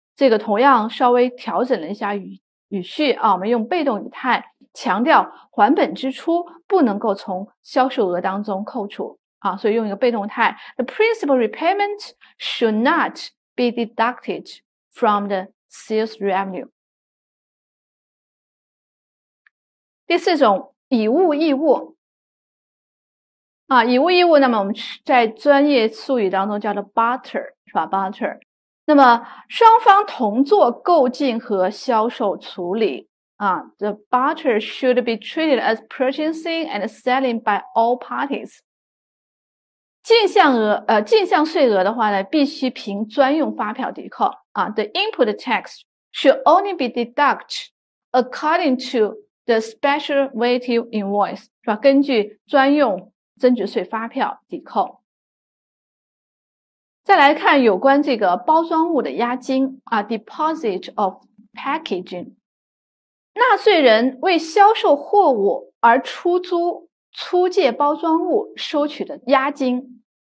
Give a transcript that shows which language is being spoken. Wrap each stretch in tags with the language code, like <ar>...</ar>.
<zh>这个同样稍微调整了一下语序啊，我们用被动语态强调还本支出不能够从销售额当中扣除。</zh> <en>啊，</en> <zh>所以用一个被动态，</zh> <en>the principal repayment should not be deducted from the sales revenue。</en> <zh>第四种，以物易物。啊，以物易物，那么我们在专业术语当中叫做 barter，是吧？barter。那么双方同做购进和销售处理。</zh> <en>啊，the barter should be treated as purchasing and selling by all parties。</en> <zh>进项税额的话呢，必须凭专用发票抵扣啊。</zh> <en>The input tax should only be deducted according to the special VAT invoice，</en> <zh>是吧？根据专用增值税发票抵扣。再来看有关这个包装物的押金啊，</zh> <en>deposit of packaging。</en> <zh>纳税人为销售货物而出租、出借包装物收取的押金。</zh>